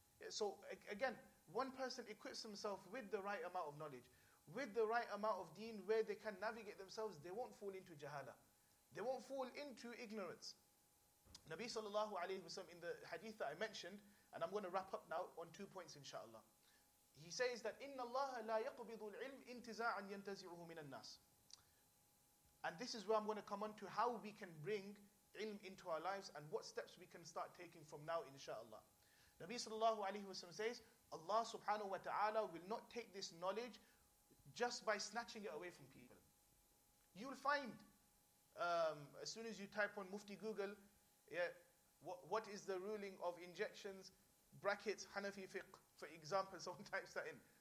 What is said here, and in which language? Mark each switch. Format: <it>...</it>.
<en>So again, one person equips themselves with the right amount of knowledge, with the right amount of deen, where they can navigate themselves, they won't fall into jahala. They won't fall into ignorance. Nabi sallallahu alayhi wasallam, in the hadith that I mentioned, and I'm going to wrap up now on two points inshallah. He says that,</en> <ar>إِنَّ اللَّهَ لَا يَقْبِضُ الْعِلْمِ إِنْتِزَاعًا يَنْتَزِعُهُ مِنَ النَّاسِ.</ar> <en>And this is where I'm going to come on to how we can bring ilm into our lives and what steps we can start taking from now, inshallah. Nabi sallallahu alayhi wa sallam says, Allah subhanahu wa ta'ala will not take this knowledge just by snatching it away from people. You'll find, as soon as you type on Mufti Google, yeah, what is the ruling of injections, brackets, Hanafi fiqh, for example, someone types that in.</en>